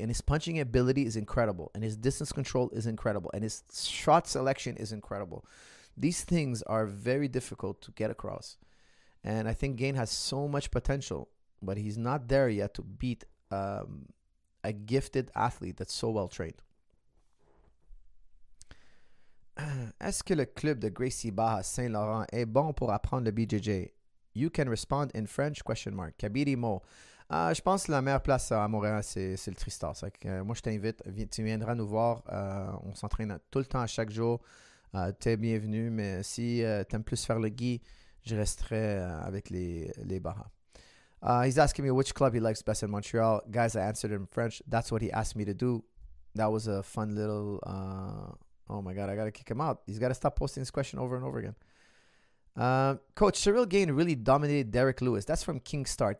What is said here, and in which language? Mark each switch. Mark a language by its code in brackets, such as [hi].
[en] And his punching ability is incredible. And his distance control is incredible. And his shot selection is incredible. These things are very difficult to get across. And I think Gane has so much potential, but he's not there yet to beat a gifted athlete that's so well trained. [fr] Est-ce que le club de Gracie Barra Saint-Laurent est bon pour apprendre le BJJ? [en] You can respond in French, question mark. Kabiri Mo. [fr] Je pense que la meilleure place à Montréal, c'est le Tristar. C'est que, moi, je t'invite. Tu viendras nous voir. On s'entraîne tout le temps, à chaque jour. T'es bienvenu. Mais si tu aimes plus faire le gui, je resterai avec les Baja. [en] He's asking me which club he likes best in Montreal. Guys, I answered in French. That's what he asked me to do. That was a fun little... oh, my God. I got to kick him out. He's got to stop posting this question over and over again. Coach, Cyril Gane really dominated Derek Lewis. That's from King Start.